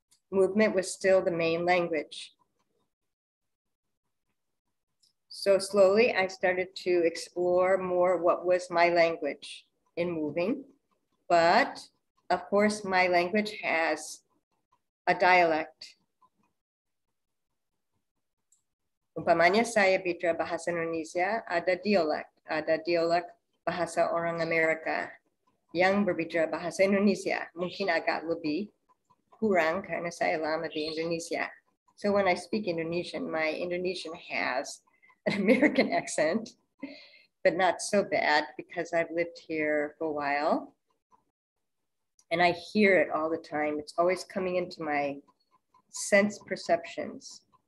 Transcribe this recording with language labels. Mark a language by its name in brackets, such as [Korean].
[English] Movement was still the main language. So slowly I started to explore more what was my language in moving. But of course my language has a dialect. [Indonesian] Upamanya saya bicara bahasa Indonesia, ada dialek bahasa orang Amerika yang berbicara bahasa Indonesia, mungkin agak lebih. Kurang karena saya lama di Indonesia. [English] So when I speak Indonesian, my Indonesian has an American accent, but not so bad because I've lived here for a while. And I hear it all the time. It's always coming into my sense perceptions.